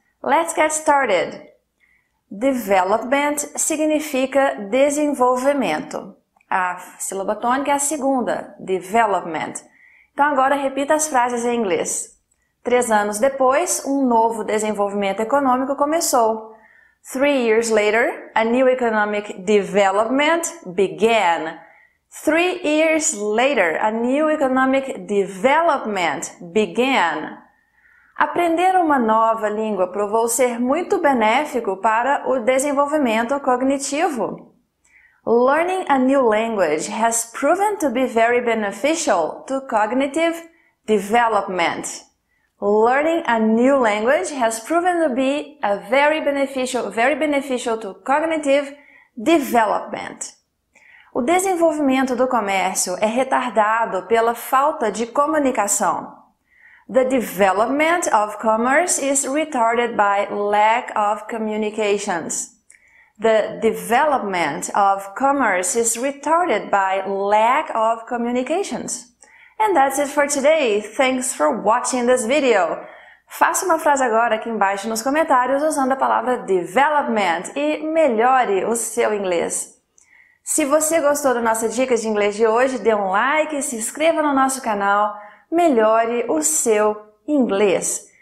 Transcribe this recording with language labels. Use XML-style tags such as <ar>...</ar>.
<en>Let's get started! Development</en> <pt>significa desenvolvimento. A sílaba tônica é a segunda. Development. Então agora repita as frases em inglês. 3 anos depois, um novo desenvolvimento econômico começou.</pt> <en>3 years later, a new economic development began. 3 years later, a new economic development began.</en> <pt>Aprender uma nova língua provou ser muito benéfico para o desenvolvimento cognitivo.</pt> <en>Learning a new language has proven to be very beneficial to cognitive development. Learning a new language has proven to be a very beneficial to cognitive development.</en> <pt>O desenvolvimento do comércio é retardado pela falta de comunicação.</pt> <en>The development of commerce is retarded by lack of communications. The development of commerce is retarded by lack of communications. And that's it for today. Thanks for watching this video.</en> <pt>Faça uma frase agora aqui embaixo nos comentários usando a palavra development e melhore o seu inglês. Se você gostou da nossa dica de inglês de hoje, dê um like e se inscreva no nosso canal Melhore o Seu Inglês.</pt>